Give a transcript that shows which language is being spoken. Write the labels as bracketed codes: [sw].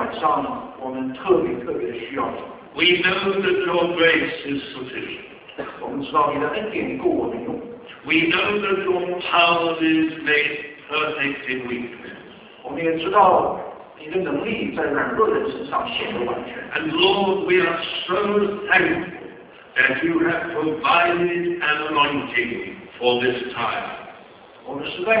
[zh] 亲爱的主啊，这个晚上我们特别特别的需要你。 [en] We know that your grace is sufficient. [zh] 我们知道你的恩典够我们用。 [en] We know that your power is made perfect in weakness. [zh] 我们也知道。你的能力在软弱人身上显得完全。 [en] And Lord, we are so thankful that you have provided an anointing for this time.